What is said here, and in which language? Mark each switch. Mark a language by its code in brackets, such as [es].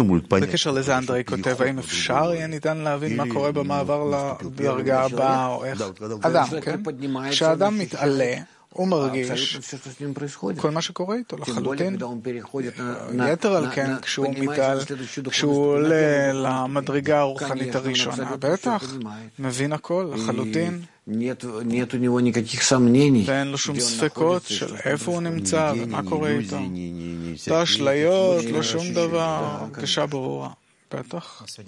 [he] בקשר לזה אנדרי כותב, האם אפשר יהיה ניתן להבין מה קורה במעבר לדרגה הבאה או איך? אדם, כן? כשאדם מתעלה, הוא מרגיש כל מה שקורה איתו לחלוטין. יתר על כן, כשהוא מתעל, כשהוא עולה למדרגה הרוחנית הראשונה, בטח, מבין הכל לחלוטין. [ru] нет у него никаких сомнений. [he] ואין לו שום ספקות של איפה הוא נמצא ומה קורה איתו. לא אשליות, לא שום דבר, הרגשה ברורה. בטח.